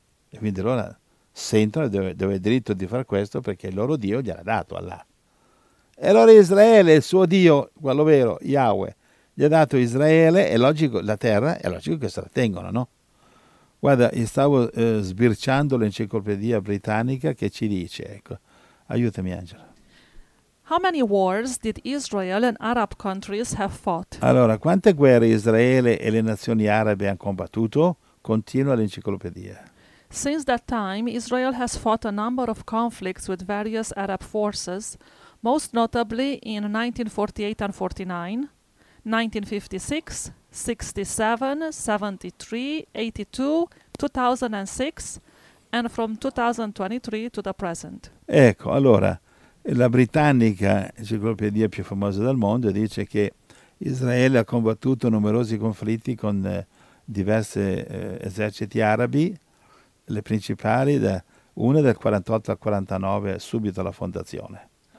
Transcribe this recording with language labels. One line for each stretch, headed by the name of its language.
Italian: E quindi loro sentono dove è diritto di fare questo, perché il loro Dio gliel'ha dato Allah. E allora Israele, il suo Dio, quello vero, Yahweh, gli ha dato Israele, è logico, la terra, è logico che se la tengono, no? Guarda, io stavo sbirciando l'Enciclopedia Britannica che ci dice, ecco, aiutami Angela.
English: How many wars did Israel and Arab countries have fought?
Italian: Allora, quante guerre Israele e le nazioni arabe hanno combattuto? Continua l'enciclopedia.
English: Since that time, Israel has fought a number of conflicts with various Arab forces, most notably in 1948 and 49, 1956, 67, 73, 82, 2006, and from 2023 to the present.
Italian: Ecco, allora. La britannica, l'enciclopedia più famosa del mondo, dice che Israele ha combattuto numerosi conflitti con diversi eserciti arabi, le principali, una dal 48 al 49, subito alla fondazione.